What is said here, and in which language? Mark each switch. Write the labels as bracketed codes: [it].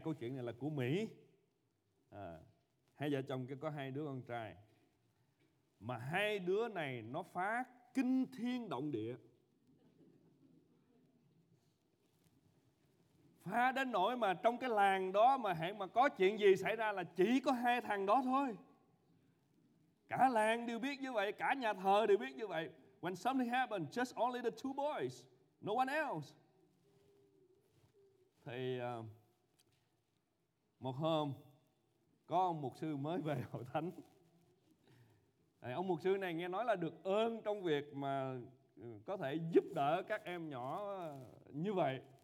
[vi] Câu chuyện này là của Mỹ. Hai vợ chồng kia có hai đứa con trai, mà hai đứa này nó phá kinh thiên động địa, phá đến nỗi mà trong cái làng đó mà hẹn mà có chuyện gì xảy ra là chỉ có hai thằng đó thôi. Cả làng đều biết như vậy, cả nhà thờ đều biết như vậy. [en] When something happened, just only the two boys, no one else. [vi] Thì một hôm có ông mục sư mới về hội thánh. Ông mục sư này nghe nói là được ơn trong việc mà có thể giúp đỡ các em nhỏ như vậy.